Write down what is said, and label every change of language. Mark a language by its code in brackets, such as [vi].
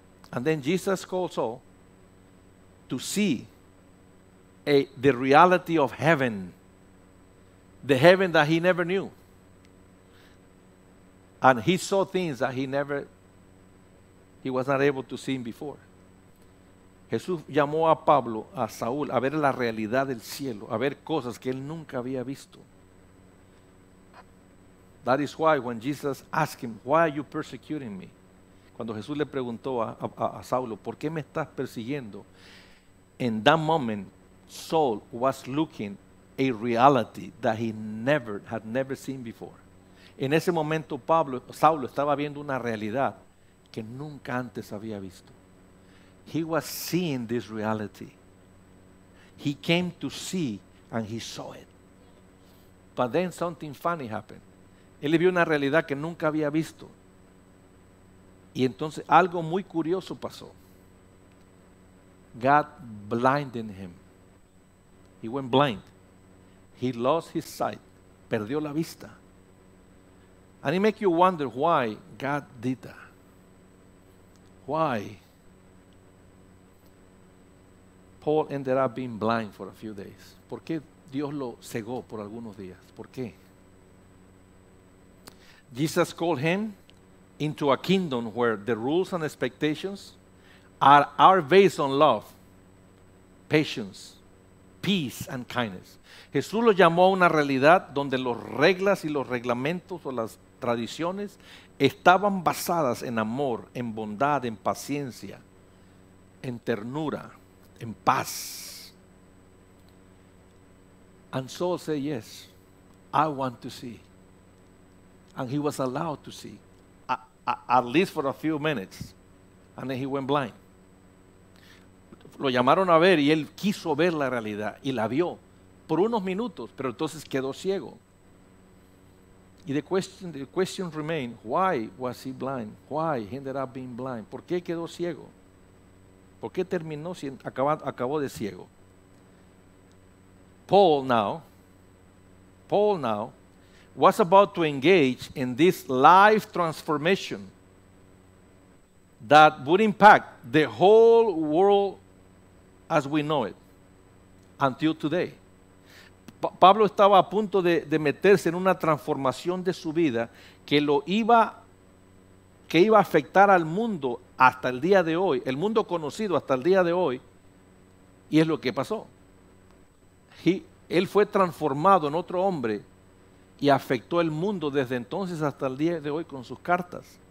[en] And then Jesus calls all to see the reality of heaven, the heaven that he never knew. And he saw things that he was not able to see before. [es] Jesús llamó a Pablo, a Saúl, a ver la realidad del cielo, a ver cosas que él nunca había visto. [en] That is why when Jesus asked him, "Why are you persecuting me?" [es] Cuando Jesús le preguntó a Saulo, ¿por qué me estás persiguiendo? [en] In that moment, Saul was looking a reality that he had never seen before. [es] En ese momento, Saulo estaba viendo una realidad que nunca antes había visto. [en] He was seeing this reality. He came to see and he saw it. But then something funny happened. [es] Él vio una realidad que nunca había visto. Y entonces algo muy curioso pasó. [en] God blinded him. He went blind. He lost his sight. [es] Perdió la vista. [en] And it makes you wonder why God did that. Why Paul ended up being blind for a few days. [es] ¿Por qué Dios lo cegó por algunos días? ¿Por qué? [en] Jesus called him into a kingdom where the rules and expectations are based on love, patience, peace and kindness. [es] Jesús lo llamó a una realidad donde las reglas y los reglamentos o las tradiciones estaban basadas en amor, en bondad, en paciencia, en ternura, en paz. [en] And Saul said, yes, I want to see. And he was allowed to see, at least for a few minutes. And then he went blind. [es] Lo llamaron a ver y él quiso ver la realidad y la vio por unos minutos, pero entonces quedó ciego. Y [en] the question remained, why was he blind? Why he ended up being blind? [es] ¿Por qué quedó ciego? ¿Por qué terminó, acabó de ciego? [en] Paul now was about to engage in this life transformation that would impact the whole world as we know it until today. [es] Pablo estaba a punto de meterse en una transformación de su vida que iba a afectar al mundo hasta el día de hoy, el mundo conocido hasta el día de hoy, y es lo que pasó. Él fue transformado en otro hombre y afectó el mundo desde entonces hasta el día de hoy con sus cartas.